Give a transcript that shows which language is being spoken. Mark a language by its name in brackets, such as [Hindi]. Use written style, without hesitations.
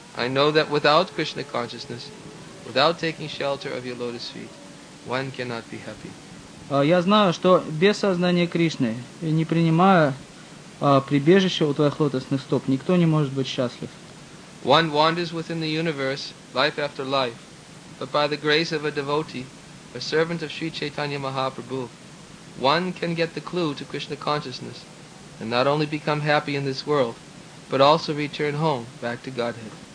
[English] I know that without Krishna consciousness, without taking shelter of your lotus feet, one cannot be happy. [Russian] Я знаю, что без сознания Кришны, не принимая прибежище у твоих лотосных стоп, никто не может быть счастлив. [English] One wanders within the universe, life after life, but by the grace of a devotee, a servant of Sri Chaitanya Mahaprabhu, one can get the clue to Krishna consciousness and not only become happy in this world, but also return home back to Godhead.